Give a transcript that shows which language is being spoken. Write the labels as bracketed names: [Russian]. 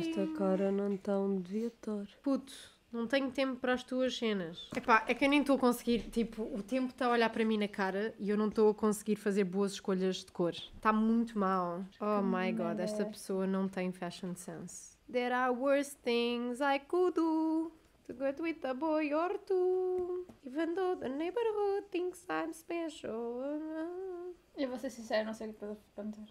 [Portuguese] E esta cara não está onde devia estar. Puto. Não tenho tempo para as tuas cenas. Epá, é que eu nem estou a conseguir, tipo, o tempo está a olhar para mim na cara e eu não estou a conseguir fazer boas escolhas de cor. Está muito mal. [English] Oh my god, [Portuguese] esta pessoa não tem fashion sense. [English] There are worse things I could do to go with a boy or two. Even though the neighborhood thinks I'm special. [Portuguese] Eu vou ser sincera, não sei o que pode acontecer.